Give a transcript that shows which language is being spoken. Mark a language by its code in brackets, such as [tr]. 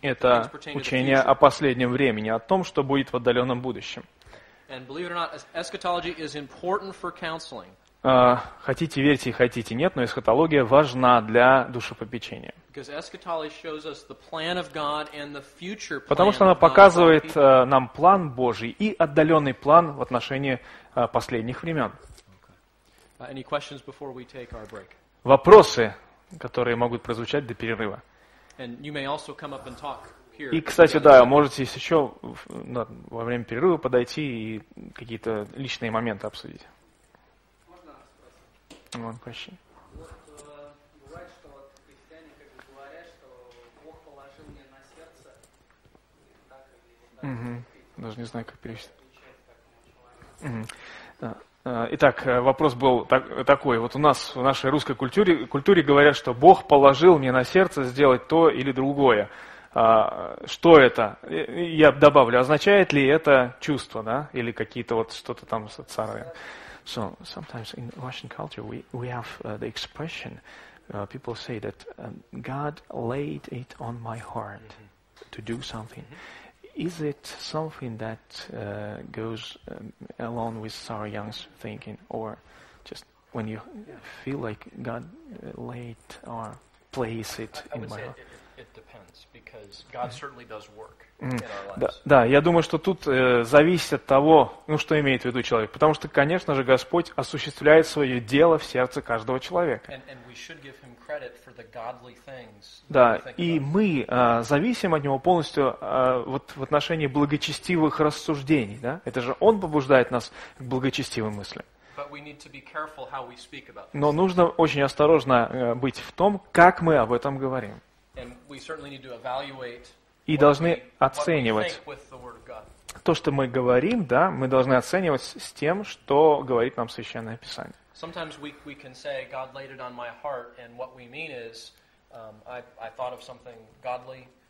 [ru] это учение о последнем времени, о том, что будет в отдаленном будущем. [en] And believe it or not, eschatology is important for counseling. [ru] Хотите верьте, хотите нет, но эсхатология важна для душепопечения. [en] Because eschatology shows us the plan of God and the future plan. [ru] Потому что она показывает нам план Божий и отдаленный план в отношении последних времен. [en] Okay. Any questions before we take our break? [ru] Вопросы, которые могут прозвучать до перерыва. [en] And you may also come up and talk here. [ru] И, кстати, да, можете еще во время перерыва подойти и какие-то личные моменты обсудить. [en] One question. [ru] Даже не знаю, как перевести. Итак, вопрос был такой. Вот у нас в нашей русской культуре говорят, что Бог положил мне на сердце сделать то или другое. Что это? Я добавлю, означает ли это чувство, да? Или какие-то вот что-то там социальные. [en] So, sometimes in Russian culture we have the expression, people say that God laid it on my heart to do something. Is it something that goes along with Sarah Young's thinking, or just when you feel like God laid or place it in my heart? It depends, because God certainly does work in our lives. [ru] Да, я думаю, что тут зависит от того, ну, что имеет в виду человек. Потому что, конечно же, Господь осуществляет свое дело в сердце каждого человека. [en] And we should give Him credit for the godly things. [ru] Да, и мы зависим от Него полностью вот в отношении благочестивых рассуждений. Да? Это же Он побуждает нас к благочестивым мыслям. [en] But we need to be careful how we speak about this. [ru] Но нужно очень осторожно быть в том, как мы об этом говорим. [en] And we certainly need to evaluate [ru] и должны оценивать то, что мы говорим, да, мы должны оценивать с тем, что говорит нам Священное Писание. [en] Sometimes we can say God laid it on my heart, and what we mean is I thought of something godly,